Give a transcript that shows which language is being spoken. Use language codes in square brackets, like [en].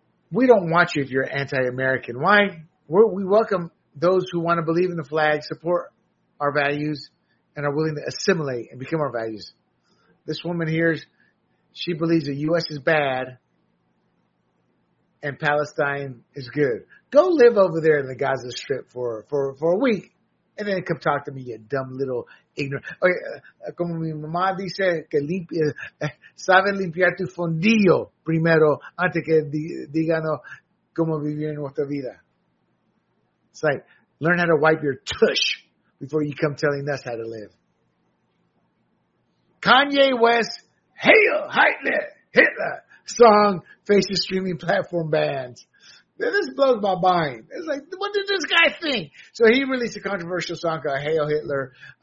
[en] We don't want you if you're anti-American. Why? We welcome those who want to believe in the flag, support our values, and are willing to assimilate and become our values. This woman here, she believes the U.S. is bad and Palestine is good. Go live over there in the Gaza Strip for a week and then come talk to me, you dumb little ignorant. [es] Okay, como mi mamá dice que limpia, sabe limpiar tu fondillo primero antes que digano cómo vivir nuestra vida. [en] It's like, learn how to wipe your tush before you come telling us how to live. Kanye West, Hail Heitler, Hitler song faces streaming platform bans. This blows my mind. It's like, what did this guy think? So he released a controversial song called Hail Hitler.